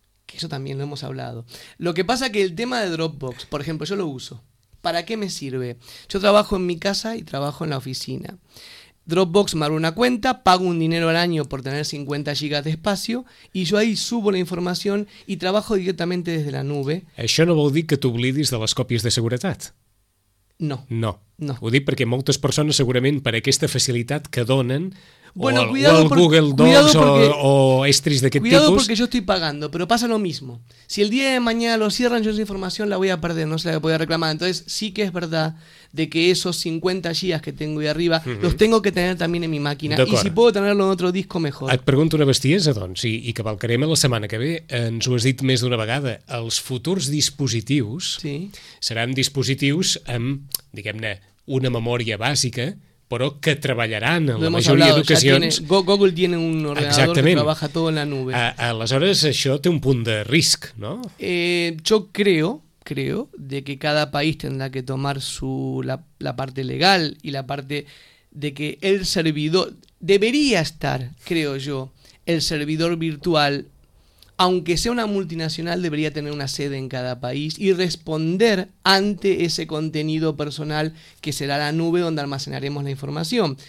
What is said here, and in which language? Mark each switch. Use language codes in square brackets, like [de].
[es] Que eso también lo hemos hablado. Lo que pasa que el tema de Dropbox, por ejemplo, yo lo uso. ¿Para qué me sirve? Yo trabajo en mi casa y trabajo en la oficina. Dropbox me abre una cuenta, pago un dinero al año por tener 50 gigas de espacio y yo ahí subo la información y trabajo directamente desde la nube. [ca] Això no vol dir que t'oblidis de les còpies de seguretat. No. Ho dic perquè moltes persones segurament per aquesta facilitat que donen [es] bueno, [ca] Google Docs o estris d'aquest tipus. [es] Cuidado porque yo estoy pagando, pero pasa lo mismo. Si el día de mañana lo cierran, yo esa información la voy a perder, no se la voy a reclamar. Entonces sí que es verdad de que esos 50 gigas que tengo ahí arriba los tengo que tener también en mi máquina. [ca] D'acord. [es] Y si puedo tenerlo en otro disco, mejor. [ca] Et pregunto una bestiesa, doncs, i que valcarem la setmana que ve. Ens ho has dit més d'una vegada. Els futurs dispositius seran dispositius amb, diguem-ne, una memòria bàsica, però que treballaran en la majoria d'ocasions. [es] Google tiene un ordenador. [ca] Exactament. [es] Que trabaja todo en la nube. [ca] Aleshores, això té un punt de risc, no? [es] Yo creo de que cada país tendrá que tomar la parte legal y la parte de que el servidor debería estar, creo yo, el servidor virtual, aunque sea una multinacional, debería tener una sede en cada país y responder ante ese contenido personal que será la nube donde almacenaremos la información.